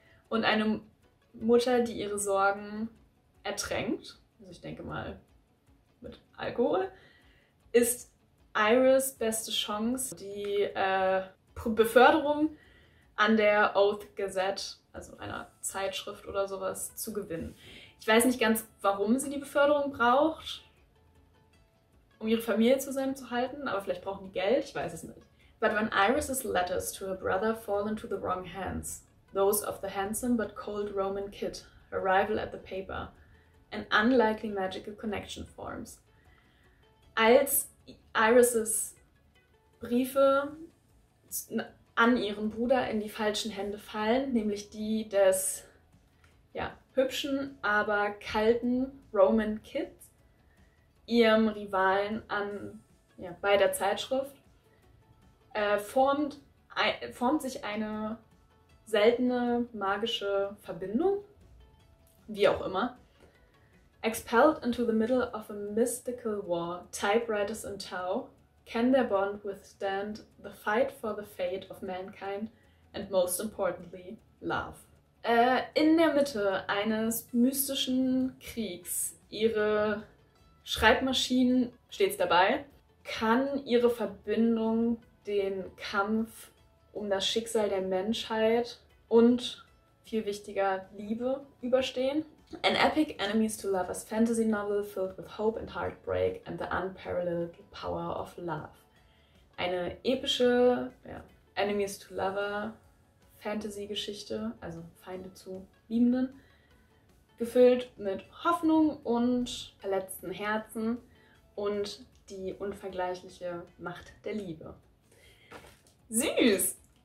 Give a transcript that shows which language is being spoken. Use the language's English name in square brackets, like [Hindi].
[German] Und eine Mutter, die ihre Sorgen ertränkt, also ich denke mal mit Alkohol, ist Iris' beste Chance, die Beförderung an der Oath Gazette, also einer Zeitschrift oder sowas, zu gewinnen. Ich weiß nicht ganz, warum sie die Beförderung braucht, um ihre Familie zusammenzuhalten, aber vielleicht brauchen die Geld, ich weiß es nicht. [English] But when Iris' letters to her brother fall into the wrong hands, those of the handsome but cold Roman Kit, her rival at the paper, an unlikely magical connection forms. [German] Als Iris' Briefe an ihren Bruder in die falschen Hände fallen, nämlich die des ja, hübschen, aber kalten Roman Kidd, ihrem Rivalen an, ja, bei der Zeitschrift, formt sich eine seltene magische Verbindung, wie auch immer. [English] Expelled into the middle of a mystical war, typewriters in tow, can their bond withstand the fight for the fate of mankind and most importantly, love. [German] In der Mitte eines mystischen Kriegs, ihre Schreibmaschinen stets dabei, kann ihre Verbindung den Kampf um das Schicksal der Menschheit und, viel wichtiger, Liebe überstehen. [English] An epic enemies to lovers fantasy novel filled with hope and heartbreak and the unparalleled power of love. [German] Eine epische, ja, [English] enemies to lover [German] Fantasy Geschichte, also Feinde zu Liebenden, gefüllt mit Hoffnung und verletzten Herzen und die unvergleichliche Macht der Liebe. Süß!